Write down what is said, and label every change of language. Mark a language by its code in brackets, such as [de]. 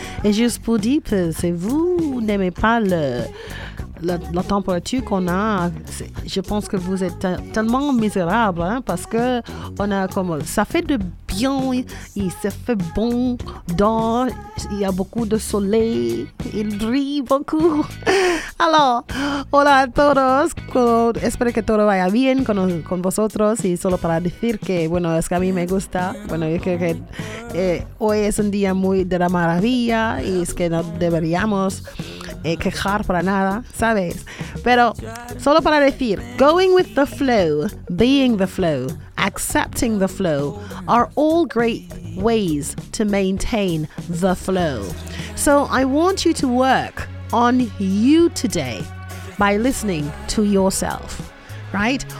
[fr] Et juste pour dire que si vous n'aimez pas la température qu'on a, je pense que vous êtes tellement misérable, hein, parce que on a comme ça fait de bien, il se fait bon dehors, il y a beaucoup de soleil, il brille beaucoup. [es] Alors, hola a todos, espero que todo vaya bien con vosotros y solo para decir que, bueno, es que a mí me gusta, bueno, yo creo que hoy es un día muy de la maravilla y es que no deberíamos quejar para nada, ¿sabes? Pero solo para decir, [en] going with the flow, being the flow, accepting the flow are all great ways to maintain the flow. So I want you to work on you today by listening to yourself, right?